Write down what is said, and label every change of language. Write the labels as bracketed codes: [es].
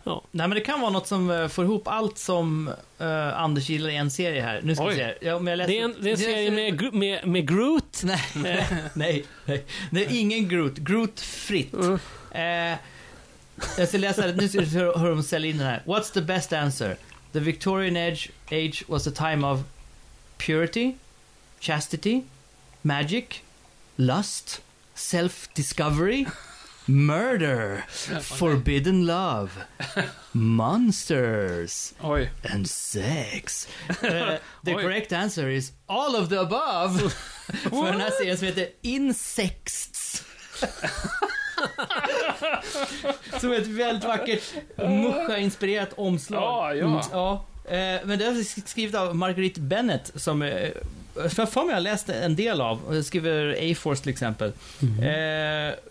[sv] Nej, men det kan vara något som får ihop allt som Anders gillar i en serie här. Nu ska vi se. Ja, men det är en serie med Groot. Nej. Nej. Nej. Det är ingen Groot. Groot fritt. Jag ska läsa det. Nu ska vi se hur de säljer in den här. [en] What's the best answer? The Victorian age was a time of purity, chastity, magic, lust, self-discovery, murder, forbidden love, monsters, oj, and sex. The oj. Correct answer is all of the above. [sv] För den här serien som heter Insects. Som ett väldigt vackert, muscha-inspirerat omslag. Ja, ja. Ja, men det är skrivet av Marguerite Bennett som är... För fan, jag läste en del av, skriver A-Force till exempel. Mm-hmm.